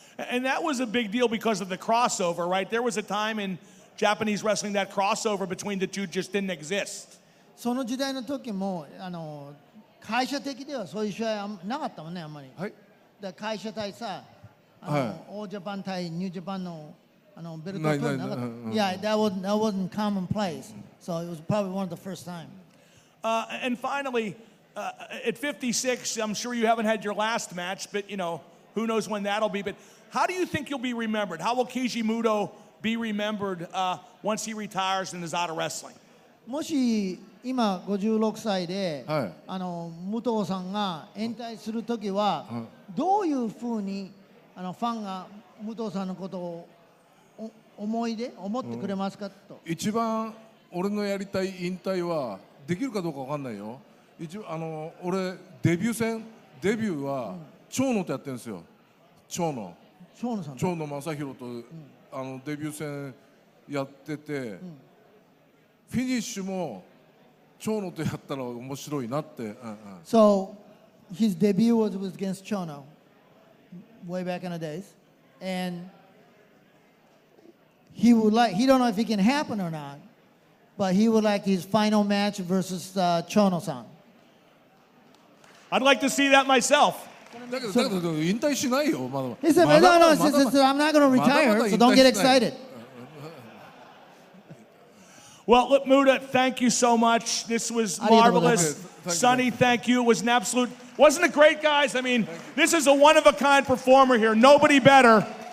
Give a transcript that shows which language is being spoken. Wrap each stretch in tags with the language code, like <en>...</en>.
<en>And that was a big deal because of the crossover, right? There was a time in Japanese wrestling that crossover between the two just didn't exist.</en> <ja>その時代の時も、あの、会社的ではそういう試合はなかったもんね、あんまり。はい。で、会社対さ、あの、オージャパン対ニュージャパンの、あの、ベルトなかった。</ja> <en>Yeah, that wasn't commonplace. So it was probably one of the first time. And finally, at 56, I'm sure you haven't had your last match, but you know,Who knows when that'll be, but how do you think you'll be remembered? How will Kijimuto be remembered once he retires and is out of wrestling?</en> <ja>もし今56歳で、あの、武藤さんが引退するときは、どういうふうに、あの、ファンが武藤さんのことを思い出、思ってくれますかと。一番俺のやりたい引退は、できるかどうか分かんないよ。一番、あの、俺、デビュー戦、デビューは、長野とやってるんですよ。長野。長野さん。長野正弘と、あのデビュー戦やってて、フィニッシュも長野とやったら面白いなって。</ja> <en>So his debut was against Chono way back in the days, and he would like he don't know if it can happen or not, but he would like his final match versus Chono-san. I'd like to see that myself.</en> <ja>だけど引退しないよ、まだ。</ja> <en>He said,</en> <ja>まだ、まだ、まだ、</ja> <en>I'm not going to retire,</en> <ja>まだまだ</ja> <en>so don't get excited. Well, look, Muda, thank you so much. This was marvelous. Sonny, thank you. It was an absolute... Wasn't it great, guys? I mean, this is a one-of-a-kind performer here. Nobody better.</en>